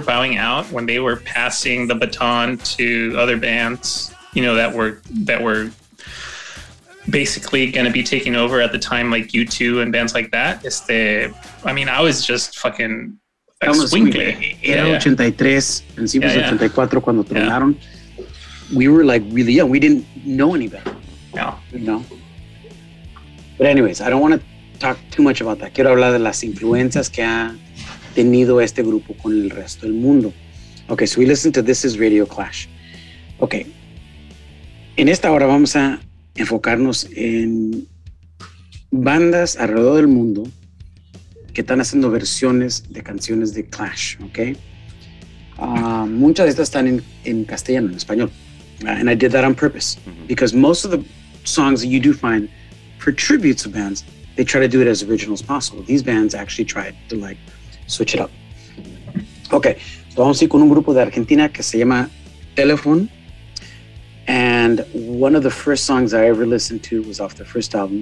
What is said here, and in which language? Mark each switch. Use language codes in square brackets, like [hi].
[en] bowing out, when they were passing the baton to other bands, you know, that were basically going to be taking over at the time, like U2 and bands like that, I mean, I was just fucking squinkly. [es] Era 83, principios de 84 cuando tronaron. [en] We were like really young. We didn't know any better. No. No. But anyways, I don't want to talk too much about that. [es] Quiero hablar de las influencias que ha tenido este grupo con el resto del mundo. [en] Okay, so we listen to This is Radio Clash. Okay. [es] En esta hora vamos a enfocarnos en bandas alrededor del mundo que están haciendo versiones de canciones de Clash, okay? Muchas de estas están en castellano, en español. [en] And I did that on purpose because most of the songs that you do find for tributes of bands, they try to do it as original as possible. These bands actually tried to like switch it up. Okay, so [es] vamos a ir con un grupo de Argentina que se llama Telephone. [en] And one of the first songs I ever listened to was off their first album.